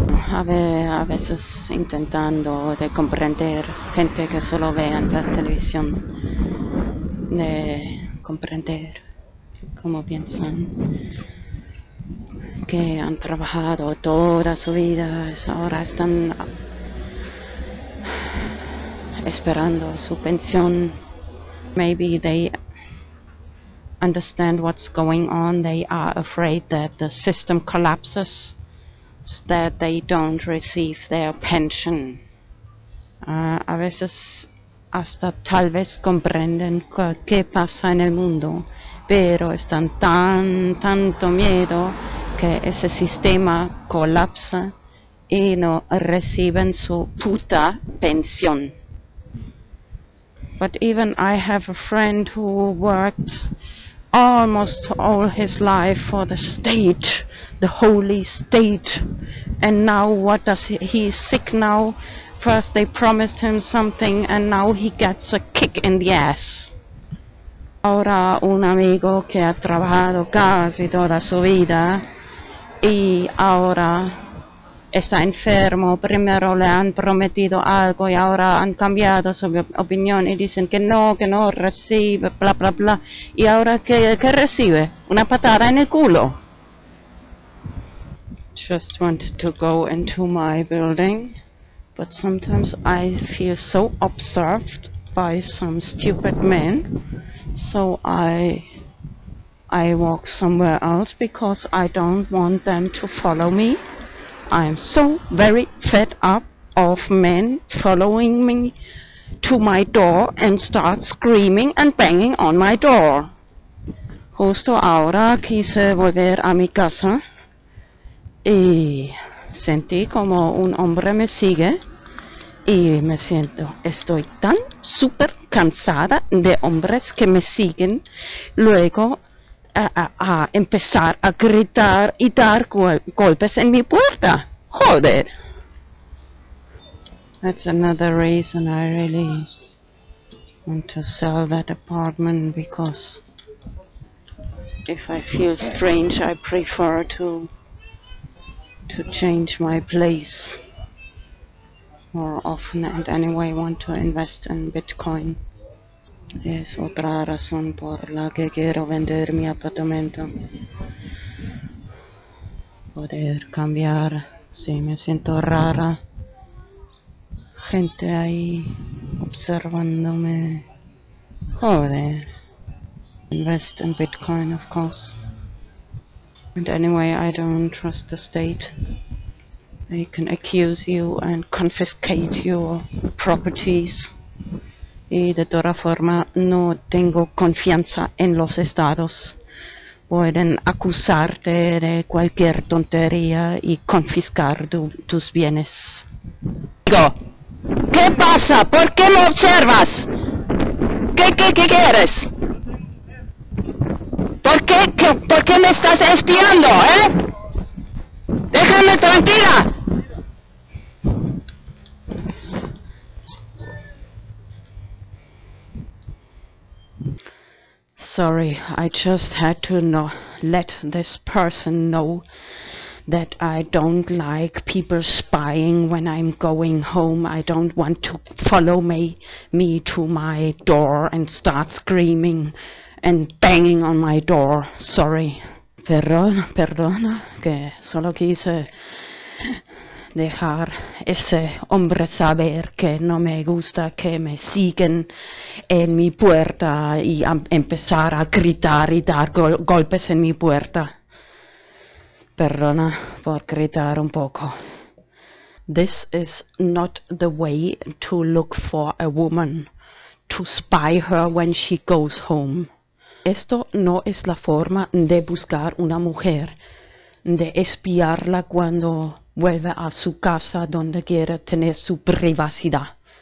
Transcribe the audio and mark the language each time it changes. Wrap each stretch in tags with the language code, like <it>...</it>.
<es>A veces intentando de comprender gente que solo ve en la televisión, de comprender cómo piensan. Que han trabajado toda su vida, ahora están esperando su pensión.</es> <en>Maybe they understand what's going on. They are afraid that the system collapses, that they don't receive their pension.</en> <es>A veces hasta tal vez comprenden qué pasa en el mundo, pero están tanto miedo que ese sistema colapsa y no reciben su puta pensión.</es> <en>But even I have a friend who worked almost all his life for the state, the holy state. And now what does he is sick now. First they promised him something and now he gets a kick in the ass.</en> <es>Ahora un amigo que ha trabajado casi toda su vida y ahora está enfermo, primero le han prometido algo y ahora han cambiado su opinión y dicen que no recibe, bla bla bla. Y ahora qué recibe? Una patada en el culo.</es> <en>Just wanted to go into my building, but sometimes I feel so observed by some stupid men, so I walk somewhere else because I don't want them to follow me. I'm so very fed up of men following me to my door and start screaming and banging on my door.</en> <es>Justo ahora quise volver a mi casa y sentí como un hombre me sigue y me siento, estoy tan super cansada de hombres que me siguen luego a empezar a gritar y dar golpes en mi puerta.</es> <en>Hold it. That's another reason I really want to sell that apartment, because if I feel strange, I prefer to change my place more often, and anyway want to invest in Bitcoin.</en> <es>Es otra razón por la que quiero vender mi apartamento. Poder cambiar. Sí, me siento rara. Gente ahí observándome. Joder.</es> <en>Invest in Bitcoin, of course. And anyway, I don't trust the state. They can accuse you and confiscate your properties.</en> <es>Y de toda forma, no tengo confianza en los estados. Pueden acusarte de cualquier tontería y confiscar tus bienes. Digo, ¿qué pasa? ¿Por qué me observas? ¿Qué quieres? ¿Por qué me estás espiando, ¡Déjame tranquila!</es> <en>Sorry, I just had to let this person know that I don't like people spying when I'm going home. I don't want to follow me to my door and start screaming and banging on my door. Sorry.</en> <es>Perdona, que solo quise dejar ese hombre saber que no me gusta que me siguen en mi puerta y empezar a gritar y dar golpes en mi puerta. Perdona por gritar un poco.</es> <en>This is not the way to look for a woman, to spy her when she goes home.</en> <es>Esto no es la forma de buscar una mujer, de espiarla cuando vuelve a su casa donde quiere tener su privacidad.</es>